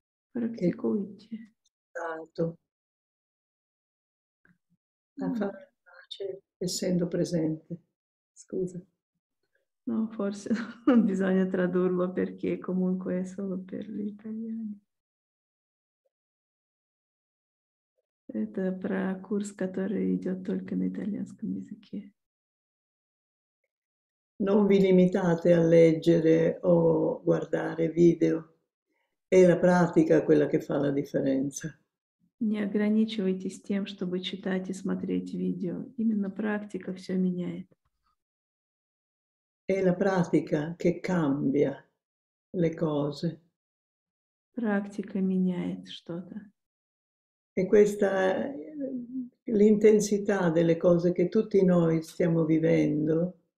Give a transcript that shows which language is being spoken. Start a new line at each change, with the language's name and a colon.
Italian: Praticamente. stato, a fare pace essendo presente. Scusa. No, forse non bisogna tradurlo perché comunque è solo per gli italiani.
Russian: Это про курс, который идет только на итальянском языке.
Italian: Non vi limitate a leggere o guardare video. È la pratica quella che fa la differenza.
Russian: Не ограничивайтесь тем, чтобы читать и смотреть видео. Именно практика все меняет.
Italian: È la pratica che cambia le cose.
Russian: Практика меняет что-то.
Italian: E questa è l'intensità delle cose che tutti noi stiamo vivendo.